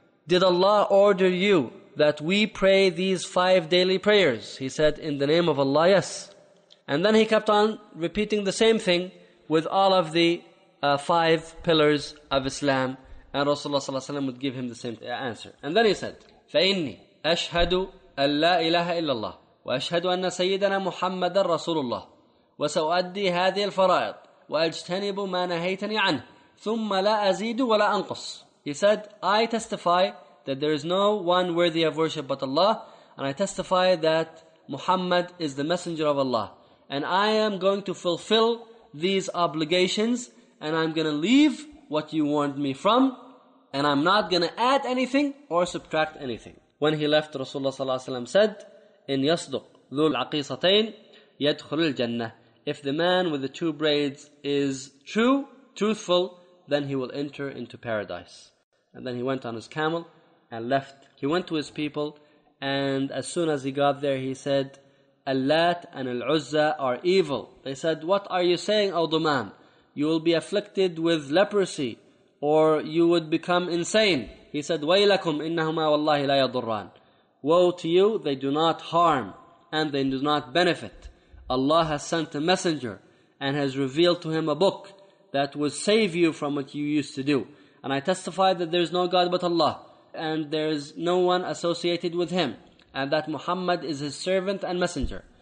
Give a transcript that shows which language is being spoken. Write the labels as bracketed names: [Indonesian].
[English] Did Allah order you that we pray these five daily prayers? He said, in the name of Allah, yes. And then he kept on repeating the same thing with all of the five pillars of Islam. And Rasulullah ﷺ would give him the same answer. And then he said, [Arabic] فَإِنِّي أَشْهَدُ أَنْ لَا إِلَهَ إِلَّا اللَّهِ وَأَشْهَدُ أَنَّ سَيِّدَنَا مُحَمَّدًا رَسُولُ اللَّهِ وَسَوْأَدِّي هَذِي الْفَرَائِضِ وَأَجْتَنِبُ مَا نَهَيْتَنِي عَنْهِ ثُمَّ لَا أَزِيدُ وَلَا أَنْقُصُ. [English] He said, I testify that there is no one worthy of worship but Allah, and I testify that Muhammad is the messenger of Allah. And I am going to fulfill these obligations, and I'm going to leave what you warned me from, and I'm not going to add anything or subtract anything. When he left, Rasulullah sallallahu alaihi wasallam said, [Arabic] إِنْ يَصْدُقْ ذُو الْعَقِيصَتَيْنِ يَدْخُلُ الْجَنَّةِ. [English] If the man with the two braids is true, truthful, then he will enter into paradise. And then he went on his camel and left. He went to his people, and as soon as he got there, he said, Al-Lat and Al-Uzza are evil. They said, what are you saying, O Dhumam? You will be afflicted with leprosy, or you would become insane. He said, [Arabic] وَيْلَكُمْ إِنَّهُمَا وَاللَّهِ لَا يَضُرَّانِ. [English] Woe to you, they do not harm, and they do not benefit. Allah has sent a messenger and has revealed to him a book that would save you from what you used to do. And I testify that there is no God but Allah, and there is no one associated with him, and that Muhammad is his servant and messenger.